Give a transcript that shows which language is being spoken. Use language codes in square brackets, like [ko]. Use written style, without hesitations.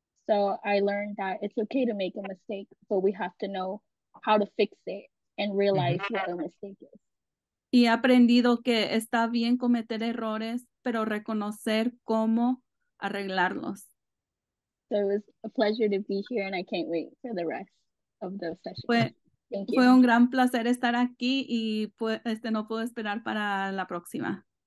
[en] So I learned that it's okay to make a mistake, but we have to know how to fix it and realize what a mistake is. [es] Y he aprendido que está bien cometer errores, pero reconocer cómo arreglarlos. [en] So it was a pleasure to be here and I can't wait for the rest of the session. [es] Fue un gran placer estar aquí y no puedo esperar para la próxima.